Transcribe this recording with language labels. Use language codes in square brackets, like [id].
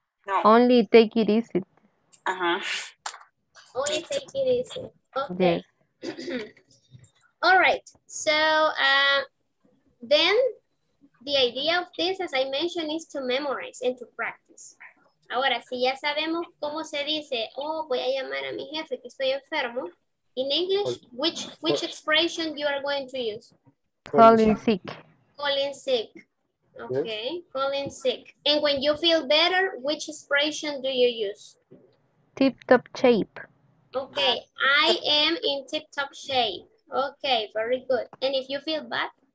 [en] No. Only take it easy. Ajá. Uh-huh. Only take it easy. Okay. Yeah. All right. So then the idea of this, as I mentioned, is to memorize and to practice. [es] Ahora, si ya sabemos cómo se dice, oh, voy a llamar a mi jefe que estoy enfermo. [en] In English, which expression you are going to use? Calling sick. Calling sick. Okay. Yes. Calling sick. And when you feel better, which expression do you use? Tip-top shape. Okay, I am in tip-top shape. Okay, very good. And if you feel bad?